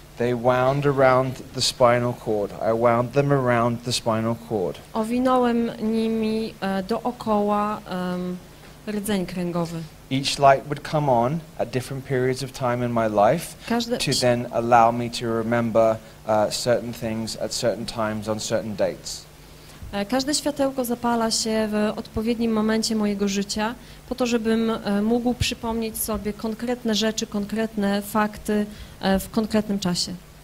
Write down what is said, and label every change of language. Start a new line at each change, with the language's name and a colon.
English: They wound around the spinal cord. I wound them around the spinal cord.
Polish: Owinąłem nimi dookoła rdzeń kręgowy.
English: Each light would come on at different periods of time in my life to then allow me to remember certain things at certain times on certain dates.
Polish: Każde światełko zapala się w odpowiednim momencie mojego życia po to, żebym mógł przypomnieć sobie konkretne rzeczy, konkretne fakty w konkretnym czasie.